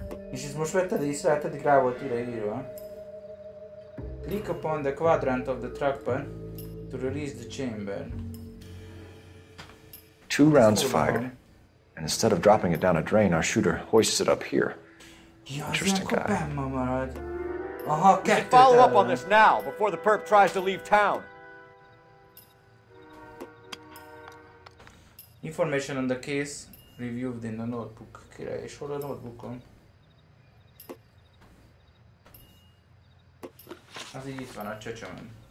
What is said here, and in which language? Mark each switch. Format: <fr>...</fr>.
<hu>És ez most vetted észre, hát eddig rá volt ide írva.</hu> <en>Click upon the quadrant of the trackpad to release the chamber. Two rounds fired, and instead of dropping it down a drain, our shooter hoists it up here. Interesting guy. Aha, we should follow up on this now, before the perp tries to leave town. Information on the case reviewed in the notebook.</en> <hu>Király, és hol a notebookon? Az így itt van a csöcsömön.</hu>